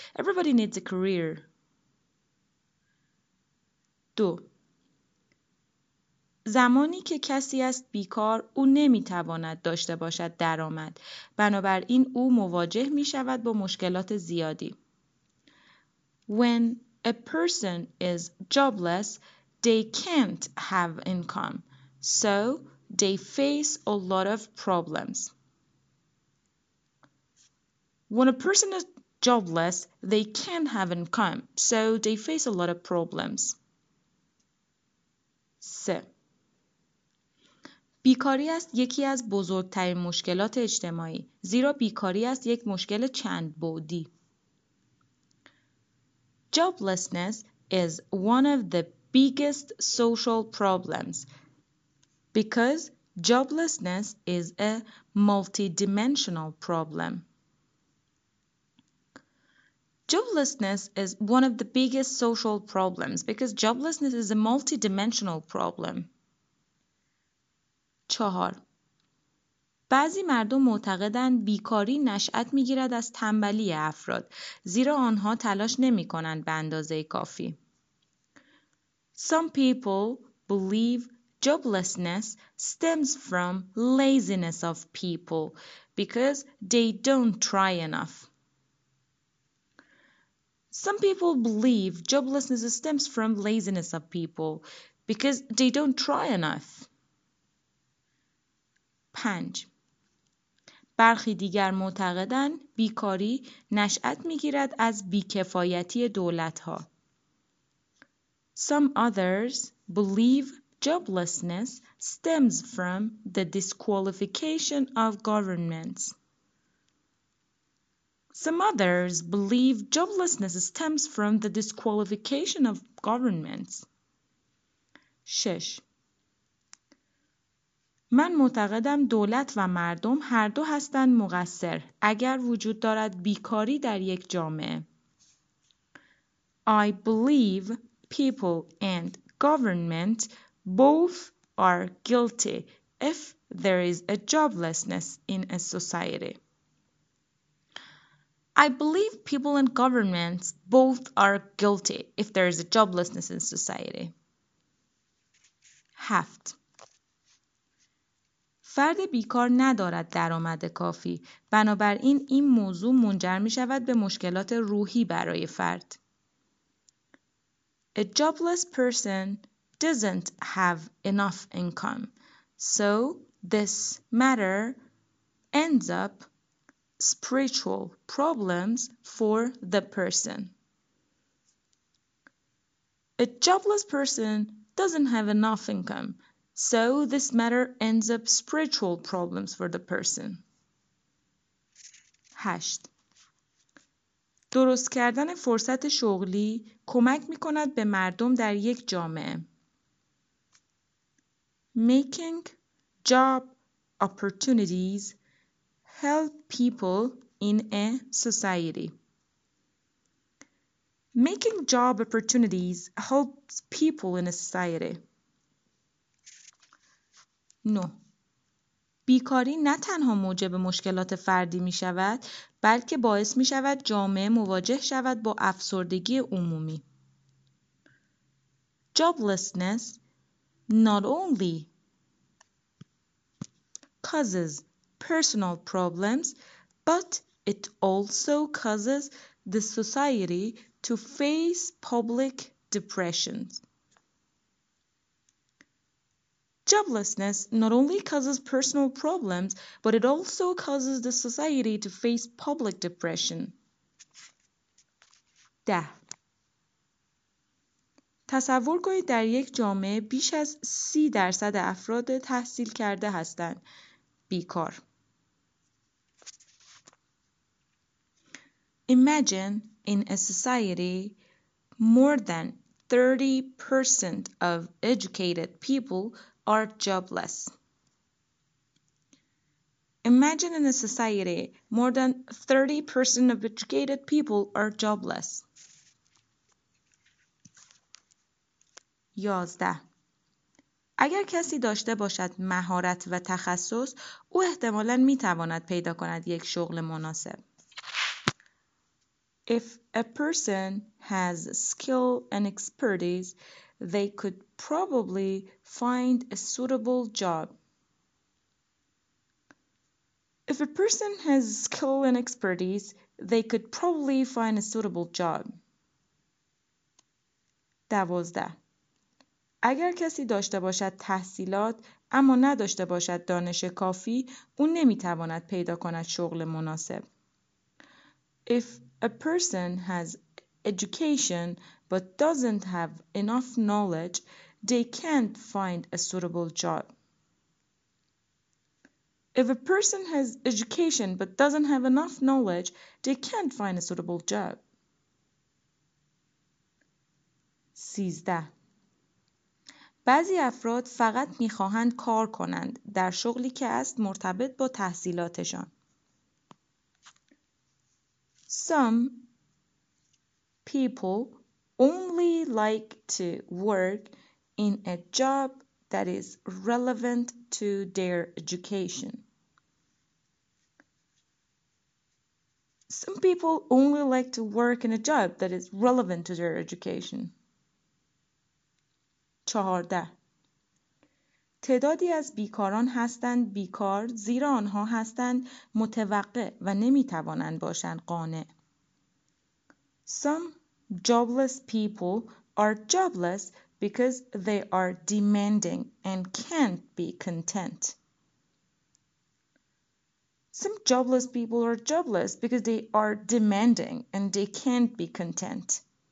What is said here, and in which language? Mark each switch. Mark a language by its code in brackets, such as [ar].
[en] Everybody needs a career. 2. [fa] زمانی که کسی است بیکار، او نمیتواند داشته باشد درآمد. بنابراین او مواجه میشود با مشکلات زیادی. [en] When a person is jobless, they can't have income. So they face a lot of problems. When a person is jobless, they can have income, so they face a lot of problems. 3. [fa] بیکاری است یکی از بزرگترین مشکلات اجتماعی، زیرا بیکاری است یک مشکل چند بعدی. [en] Joblessness is one of the biggest social problems because joblessness is a multidimensional problem. Joblessness is one of the biggest social problems because joblessness is a multidimensional problem. 4. [fa] بعضی مردم معتقدند بیکاری نشأت می‌گیرد از تنبلی افراد، زیرا آنها تلاش نمی‌کنند به اندازه کافی. [en] Some people believe joblessness stems from laziness of people because they don't try enough. Some people believe joblessness stems from laziness of people because they don't try enough. 5. [fa] برخی دیگر معتقدند بیکاری نشأت می‌گیرد از بی‌کفایتی دولت‌ها. [en] Some others believe joblessness stems from the disqualification of governments. Some others believe joblessness stems from the disqualification of governments. 6. [fa] من معتقدم دولت و مردم هر دو هستند مقصر اگر وجود دارد بیکاری در یک جامعه. [en] I believe people and government both are guilty if there is a joblessness in a society. I believe people and governments both are guilty if there is a joblessness in society. 7. [fa] فرد بیکار ندارد درآمد کافی. بنابراین این موضوع منجر می شود به مشکلات روحی برای فرد. [en] A jobless person doesn't have enough income. So this matter ends up spiritual problems for the person. A jobless person doesn't have enough income, so this matter ends up spiritual problems for the person. 8. [fa] درست کردن فرصت شغلی کمک می‌کند به مردم در یک جامعه. [en] Making job opportunities help people in a society. Making job opportunities helps people in a society. 9. [fa] بیکاری نه تنها موجب مشکلات فردی می شود، بلکه باعث می شود جامعه مواجه شود با افسردگی عمومی. [en] Joblessness not only causes personal problems, but it also causes the society to face public depressions. Joblessness not only causes personal problems, but it also causes the society to face public depression. 10. [fa] تصور کنید در یک جامعه بیش از 30% افراد تحصیل کرده هستند بیکار. [en] Imagine in a society more than 30% of educated people are jobless. Imagine in a society more than 30% of educated people are jobless. 11. [fa] اگر کسی داشته باشد مهارت و تخصص، او احتمالاً می تواند پیدا کند یک شغل مناسب. [en] If a person has skill and expertise, they could probably find a suitable job. If a person has skill and expertise, they could probably find a suitable job. 12. [fa] اگر کسی داشته باشد تحصیلات اما نداشته باشد دانش کافی، او نمیتواند پیدا کند شغل مناسب. [en] If a person has education but doesn't have enough knowledge, they can't find a suitable job. If a person has education but doesn't have enough knowledge, they can't find a suitable job. 13. [fa] بعضی افراد فقط می‌خواهند کار کنند در شغلی که است مرتبط با تحصیلاتشان. [en] Some people only like to work in a job that is relevant to their education. Some people only like to work in a job that is relevant to their education. 14. [fa] تعدادی از بیکاران هستند بیکار زیرا آنها هستند متوقع و نمیتوانند باشند قانع. [en] Some jobless people are jobless because they are demanding and can't be content. Some jobless people are jobless because they are demanding and they can't be content.